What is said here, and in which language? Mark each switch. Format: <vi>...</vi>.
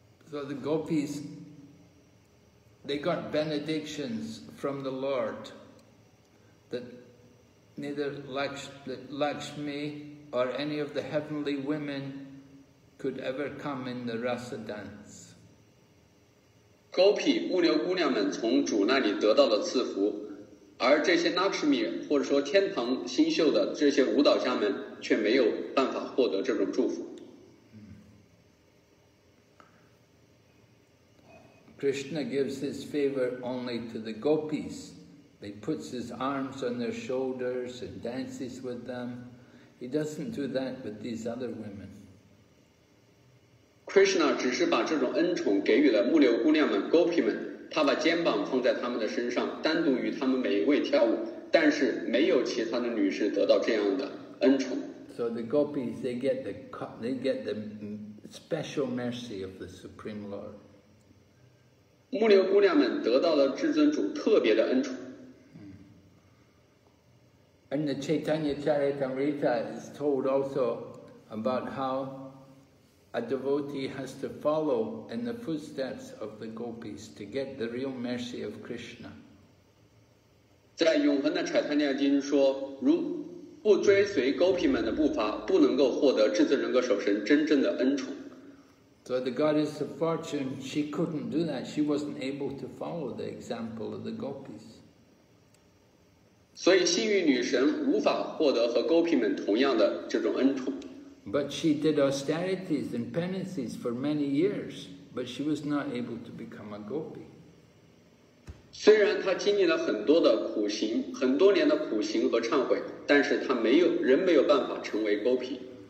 <en>So the Gopis, they got benedictions from the Lord that neither Lakshmi or any of the heavenly women could ever come in the Rasa dance.</en> <zh>Gopi 物流姑娘们从主那里得到了赐福，而这些 Lakshmi 或者说天堂星宿的这些舞蹈家们却没有办法获得这种祝福。</zh> <en>Krishna gives his favor only to the gopis. He puts his arms on their shoulders and dances with them. He doesn't do that with these other women.</en> <zh>Krishna 只是把这种恩宠给予了木流姑娘们 gopi 们，他把肩膀放在他们的身上，单独与他们每一位跳舞，但是没有其他的女士得到这样的恩宠。</zh> <en>So the gopis, they get the special mercy of the Supreme Lord.</en> <zh>木流姑娘们得到了至尊主特别的恩宠。</zh> <en>And the Chaitanya Charitamrita is told also about how a devotee has to follow in the footsteps of the gopis to get the real mercy of Krishna.</en> <zh>在永恒的柴檀尼亚经说，如不追随 gopi 们的步伐，不能够获得至尊人格守神真正的恩宠。</zh> <en>So the goddess of fortune, she couldn't do that. She wasn't able to follow the example of the gopis.</en> <zh>所以幸运女神无法获得和 gopi 们同样的这种恩宠。</zh> <en>But she did austerities and penances for many years, but she was not able to become a gopi.</en> <zh>虽然她经历了很多的苦行，很多年的苦行和忏悔，但是她仍没有办法成为 gopi。</zh>